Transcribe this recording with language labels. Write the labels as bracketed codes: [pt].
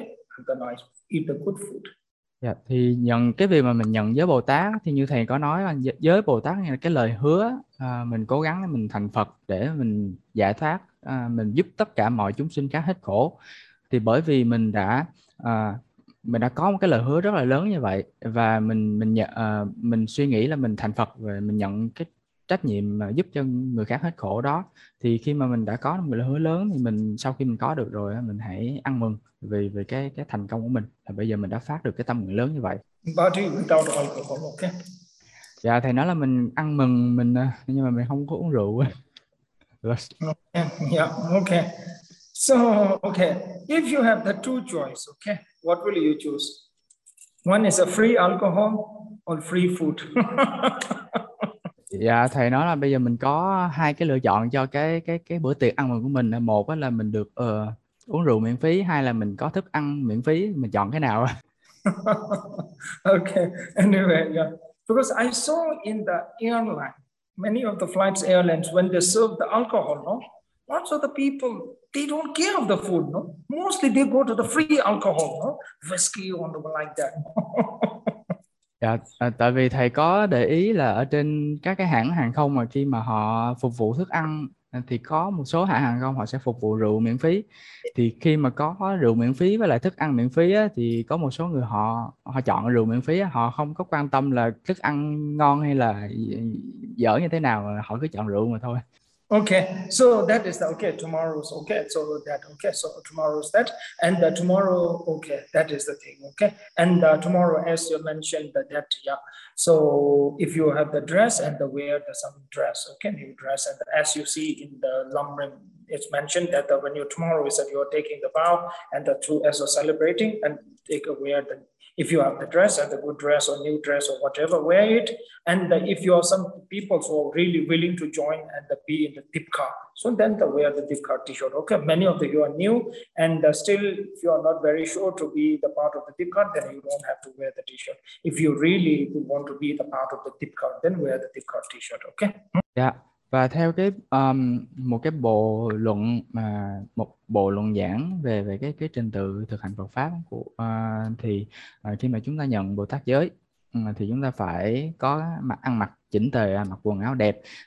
[en] Have the nice, eat the good food. [vi] Dạ, thì nhận cái việc mà mình nhận giới Bồ Tát thì như thầy có nói là giới Bồ Tát là cái lời hứa mình cố gắng mình thành Phật để mình giải thoát, mình giúp tất cả mọi chúng sinh khác hết khổ, thì bởi vì mình đã có một cái lời hứa rất là lớn như vậy, và mình suy nghĩ là mình thành Phật và mình nhận cái trách nhiệm giúp cho người khác hết khổ đó, thì khi mà mình đã có một lời hứa lớn thì mình sau khi mình có được rồi mình hãy ăn mừng vì vì cái thành công của mình là bây giờ mình đã phát được cái tâm nguyện lớn như vậy. [en] Body without alcohol, [vi] Dạ, thầy nói là mình ăn mừng mình nhưng mà mình không có uống rượu. [en] okay. Okay. So, okay. If you have the two choice, okay, what will you choose? One is a free alcohol or free food? [vi] Dạ, thầy nói là bây giờ mình có hai cái lựa chọn cho cái bữa tiệc ăn mừng của mình. Một là mình được uống rượu miễn phí, hai là mình có thức ăn miễn phí, mình chọn cái nào? [en] Okay. Anyway, yeah. Because I saw in the airline, many of the flights airlines when they serve the alcohol, no, lots of the people they don't care of the food, no. Mostly they go to the free alcohol, no, whiskey or whatever like that. [vi] Dạ, tại vì thầy có để ý là ở trên các cái hãng hàng không mà khi mà họ phục vụ thức ăn thì có một số hãng hàng không họ sẽ phục vụ rượu miễn phí, thì khi mà có rượu miễn phí với lại thức ăn miễn phí á, thì có một số người họ họ chọn rượu miễn phí á, họ không có quan tâm là thức ăn ngon hay là dở như thế nào, họ cứ chọn rượu mà thôi. [en] Okay, so that is the okay tomorrow's okay. So that okay, so tomorrow's that and the tomorrow okay, that is the thing okay. And tomorrow, as you mentioned, that yeah, so if you have the dress and the wear the some dress okay, new dress, and as you see in the lumbering, it's mentioned that the, when you tomorrow is that you are taking the vow and the two as a celebrating and take a wear the. If you have the dress and the good dress or new dress or whatever, wear it. And if you are some people who are really willing to join and be in the Dipka, so then the wear the Dipka t-shirt. Okay, many of the you are new and still if you are not very sure to be the part of the Dipka, then you don't have to wear the t-shirt. If you really want to be the part of the Dipka, then wear the Dipka t-shirt. Okay. [vi] Dạ, Và theo cái một cái bộ luận mà một bộ luận giảng về về cái trình tự thực hành Phật pháp của thì khi mà chúng ta nhận Bồ Tát giới thì chúng ta phải có mặc ăn mặc chỉnh tề, mặc quần áo đẹp.